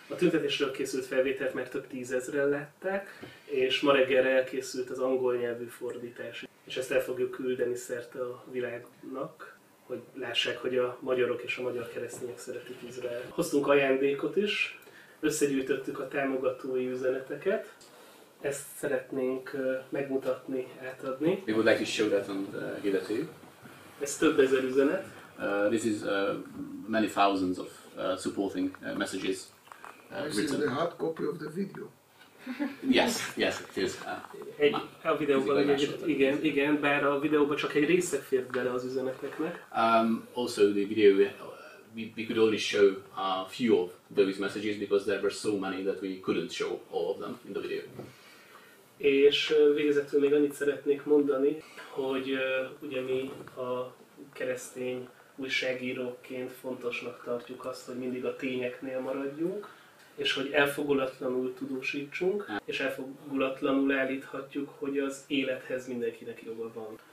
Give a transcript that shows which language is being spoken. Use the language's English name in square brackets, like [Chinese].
[Hungarian] A tüntetésről készült felvételt már több tízezren látták, és ma reggel elkészült az angol nyelvű fordítás, és ezt el fogjuk küldeni szerte a világnak, hogy lássák, hogy a magyarok és a magyar keresztények szeretik Izrael. Hoztunk ajándékot is, összegyűjtöttük a támogatói üzeneteket. Ezt szeretnénk megmutatni, átadni. [English] We would like to show that and give it to you. [Hungarian] Ez több ezer üzenet. [English] This is many thousands of supporting messages written. This is a hard copy of the video. Yes, yes, it is. [Hungarian] Egy, a videóban, igen, igen, bár a videóban csak egy része fért bele az üzeneteknek. [English] Also the video, we could only show a few of those messages because there were so many that we couldn't show all of them in the video. [Hungarian] És végezetül még annyit szeretnék mondani, hogy ugye mi a keresztény újságíróként fontosnak tartjuk azt, hogy mindig a tényeknél maradjunk, és hogy elfogulatlanul tudósítsunk, és elfogulatlanul állíthatjuk, hogy az élethez mindenkinek joga van.